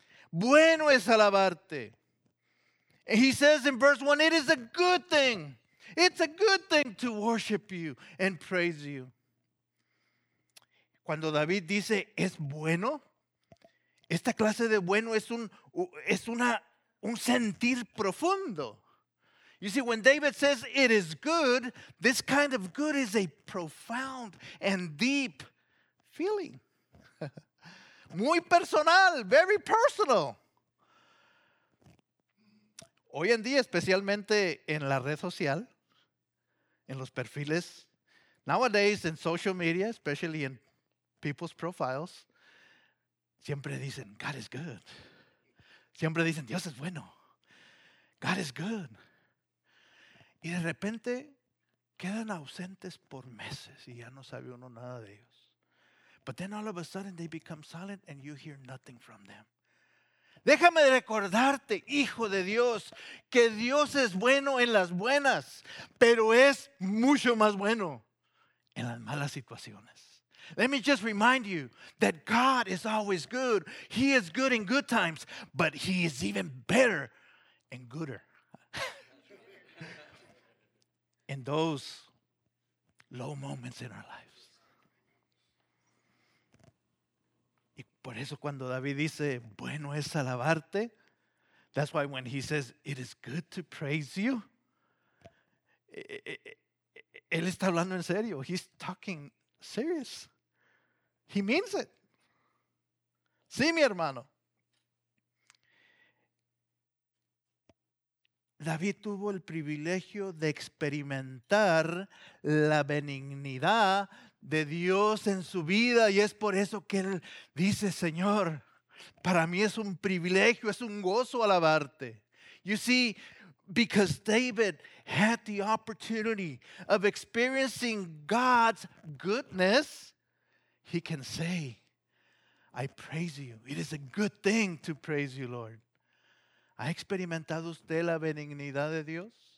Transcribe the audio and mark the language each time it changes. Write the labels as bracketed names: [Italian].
[Spanish] Bueno es alabarte. [English] And he says in verse 1, it is a good thing. It's a good thing to worship you and praise you. [Spanish] Cuando David dice, es bueno, esta clase de bueno es un sentir profundo. [English] You see, when David says it is good, this kind of good is a profound and deep feeling. [Spanish] Muy personal, [English] very personal. [Spanish] Hoy en día, especialmente en la red social, en los perfiles, [English] nowadays in social media, especially in people's profiles, [Spanish] siempre dicen, [English] God is good. [Spanish] Siempre dicen, Dios es bueno. [English] God is good. [Spanish] Y de repente quedan ausentes por meses y ya no sabe uno nada de ellos. [English] But then all of a sudden they become silent and you hear nothing from them. [Spanish] Déjame recordarte, hijo de Dios, que Dios es bueno en las buenas, pero es mucho más bueno en las malas situaciones. [English] Let me just remind you that God is always good. He is good in good times, but he is even better and gooder in those low moments in our lives. [Spanish] Y por eso cuando David dice, bueno es alabarte, [English] that's why when he says, it is good to praise you, [Spanish] él está hablando en serio. [English] He's talking serious. He means it. [Spanish] Sí, mi hermano. David tuvo el privilegio de experimentar la benignidad de Dios en su vida y es por eso que él dice, Señor, Para mí es un privilegio, es un gozo alabarte. [English] You see, because David had the opportunity of experiencing God's goodness, he can say, I praise you. It is a good thing to praise you, Lord. [Spanish] ¿Ha experimentado usted la benignidad de Dios?